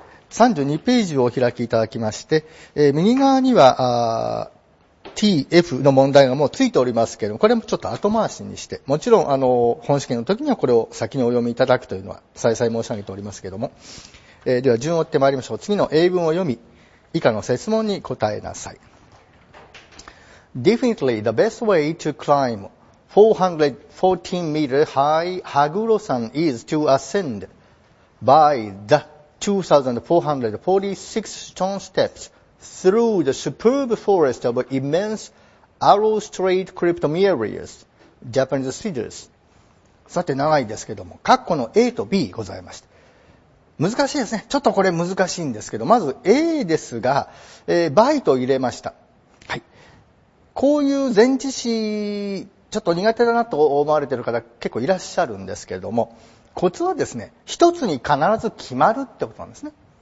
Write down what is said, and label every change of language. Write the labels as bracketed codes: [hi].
[ja] 32ページをお開きいただきまして、右側には TF の問題がもうついておりますけれども、これもちょっと後回しにして、もちろん本試験の時にはこれを先にお読みいただくというのは再々申し上げておりますけれども、では順を追ってまいりましょう。次の英文を読み、以下の設問に答えなさい。 [en] Definitely the best way to climb414 meter high Haguro San is to ascend by the 2,446 stone steps through the superb forest of immense arrow straight cryptomerias, Japanese cedars. [ja] さて、長いですけども、括弧の A と B ございました。難しいですね。ちょっとこれ難しいんですけど、まず A ですが、by と入れました。はい。こういう前置詞、ちょっと苦手だなと思われている方結構いらっしゃるんですけれども、コツはですね、一つに必ず決まるってことなんですね。